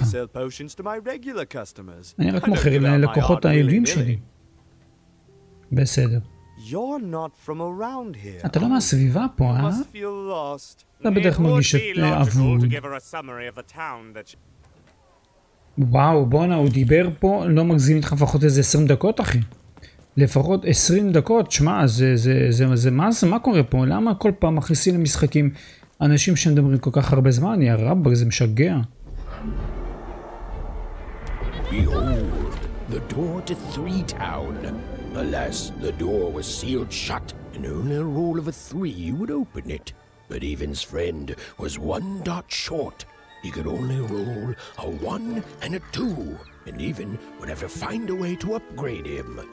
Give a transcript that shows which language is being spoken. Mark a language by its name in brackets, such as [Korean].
[English] I only sell potions to my regular customers. [Hebrew] אני רק מוכר ללקוחות האהובים שלי. בסדר. [English] You're not from around here. [Hebrew] אתה לא מהסביבה פה, אה? [English] You must feel lost. [Hebrew] אתה בדרך מרגיש אבוד. וואו, בונה, הוא דיבר פה, לא מגזים איתך לפחות איזה 20 דקות, אחי. לפחות 20 דקות, שמע, מה קורה פה? למה כל פעם מכניסים למשחקים אנשים שמדברים כל כך הרבה זמן? יא רבא, זה משגע. [English] Behold, the door to three town. Alas, the door was sealed shut, and only a roll of a three would open it. But Even's friend was one dot short. He could only roll a one and a two, and Even would have to find a way to upgrade him.